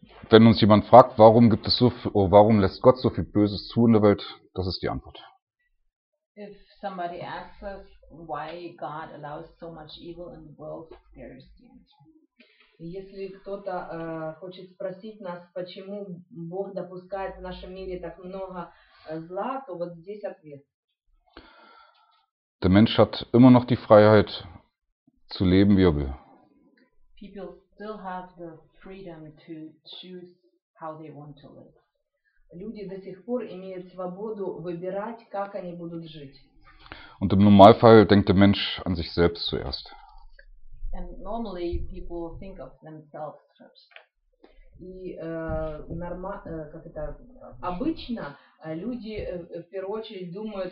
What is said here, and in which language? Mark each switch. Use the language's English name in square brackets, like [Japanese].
[German] Wenn uns jemand fragt, warum lässt Gott so viel Böses zu in der Welt, das ist die Antwort. [English] Somebody asks us why God allows so much evil in the world, there is the answer. [Russian] Если кто-то хочет спросить нас, почему Бог допускает в нашем мире так много зла, то вот здесь ответ. [German] Der Mensch hat immer noch die Freiheit zu leben, wie er will. [English] People still have the freedom to choose how they want to live. [Russian] Люди до сих пор имеют свободу выбирать, как они будут жить. [German] Und im Normalfall denkt der Mensch an sich selbst zuerst. [English] And normally people think of themselves first. [Russian] И как это обычно люди в первую очередь думают